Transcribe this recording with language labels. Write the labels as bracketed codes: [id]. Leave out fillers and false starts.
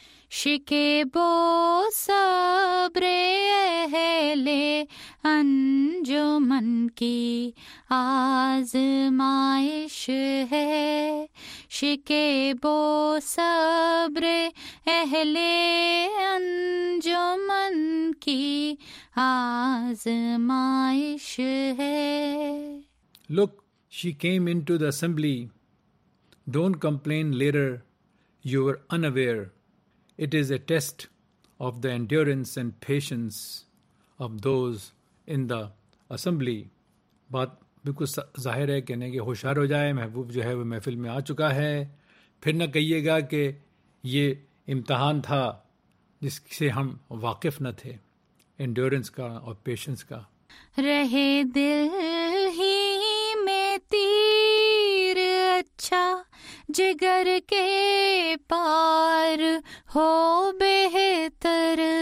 [ur] شکیبو صبر اہل انجمن کی آزمائش ہے، شکیبو صبر اہل انجمن کی آزمائش ہے۔ [en] Look, she came into the assembly. Don't complain later, you were unaware. It is a test of the endurance and patience of those in the assembly. [ur] بات بالکل ظاہر ہے، کہنے کے ہوشیار ہو جائے، محبوب جو ہے وہ محفل میں آ چکا ہے، پھر نہ کہیے گا کہ یہ امتحان تھا جس سے ہم واقف نہ تھے، انڈیورنس کا اور پیشنس کا۔ رہے دل ہی میں تیر اچھا جگر کے پار ہو بہتر،